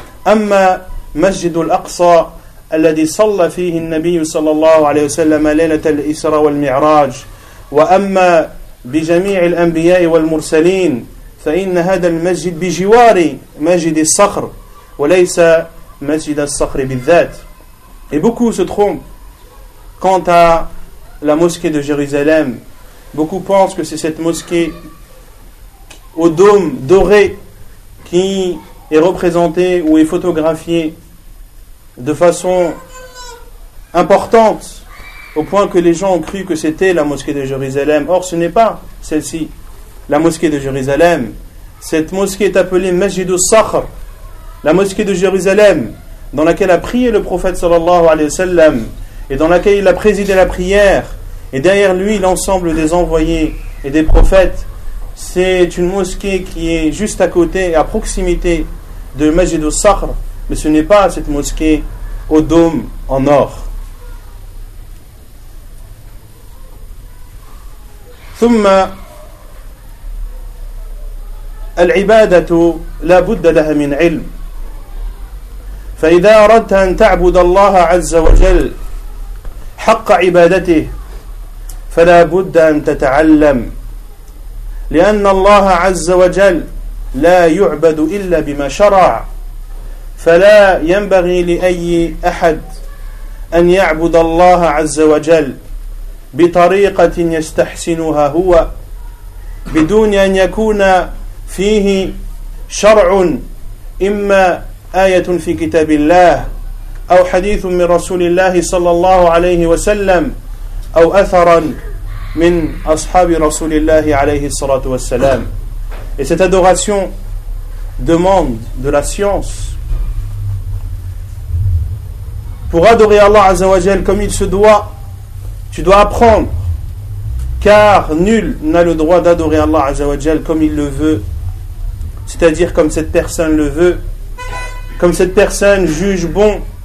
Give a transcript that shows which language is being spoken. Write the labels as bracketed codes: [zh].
[ar] أما مسجد الأقصى الذي صلى فيه النبي صلى الله عليه وسلم ليلة الإسراء والمعراج, وأما بجميع الأنبياء والمرسلين فإن هذا المسجد بجوار مسجد الصخر وليس مسجد الصخر بالذات. [fr] Et beaucoup se trompent quant à la mosquée de Jérusalem. Beaucoup pensent que c'est cette mosquée au dôme doré qui est représentée ou est photographiée de façon importante, au point que les gens ont cru que c'était la mosquée de Jérusalem. Or, ce n'est pas celle-ci, la mosquée de Jérusalem. Cette mosquée est appelée Masjid al-Sakhr, la mosquée de Jérusalem, dans laquelle a prié le prophète sallallahu alayhi wa sallam, et dans laquelle il a présidé la prière, et derrière lui l'ensemble des envoyés et des prophètes. C'est une mosquée qui est juste à côté, à proximité de Masjid al-Sakhr, mais ce n'est pas cette mosquée au dôme en or. [ar] ثم العبادة لا بد لها من علم فإذا أردت أن تعبد الله عز وجل حق عبادته فلا بد أن تتعلم لأن الله عز وجل لا يعبد إلا بما شرع فلا ينبغي لأي أحد أن يعبد الله عز وجل بطريقة يستحسنها هو بدون أن يكون فيه شرع إما آية في كتاب الله أو حديث من رسول الله صلى الله عليه وسلم أو أثرا من أصحاب رسول الله عليه الصلاة والسلام. [fr] Et cette adoration demande de la science. Pour adorer Allah Azza wa Jal comme il se doit, tu dois apprendre, car nul n'a le droit d'adorer Allah Azzawajal comme il le veut, c'est-à-dire comme cette personne le veut, comme cette personne juge bon.